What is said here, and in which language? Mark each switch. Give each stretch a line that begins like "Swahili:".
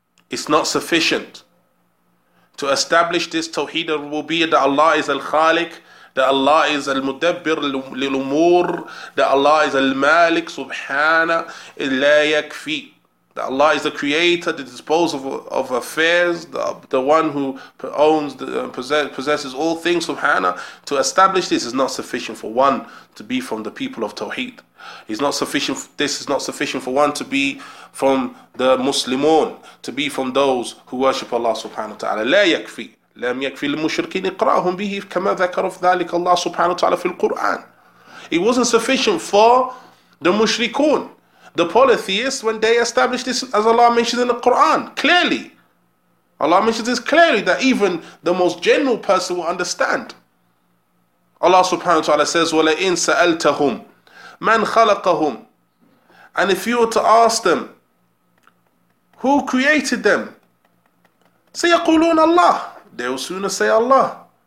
English: It's not sufficient to establish this tawhid ar-rububiyyah, that Allah is al-khaliq, that Allah is al-mudabbir lil-umur, that Allah is al-malik subhana,
Arabic: la yakfi,
English: that Allah is the creator, the disposer of affairs, the one who owns, possesses all things, subhana. To establish this is not sufficient for one to be from the people of tawhid. It's not sufficient, this is not sufficient for one to be from the muslimun, to be from those who worship Allah subhana wa ta'ala.
Arabic: La yakfi. لم يكفي المشركين إقراءهم به كما ذكر في ذلك الله سبحانه وتعالى في القرآن.
English: It wasn't sufficient for the mushrikun, the polytheists, when they established this, as Allah mentions in the Quran clearly. Allah mentions this clearly, that even the most general person will understand. Allah سبحانه وتعالى says,
Arabic: وَلَئِن سَأَلْتَهُمْ مَنْ خَلَقَهُمْ,
English: and if you were to ask them, who created them,
Arabic: سَيَقُولُونَ اللَّهُ,
English: they will sooner say Allah.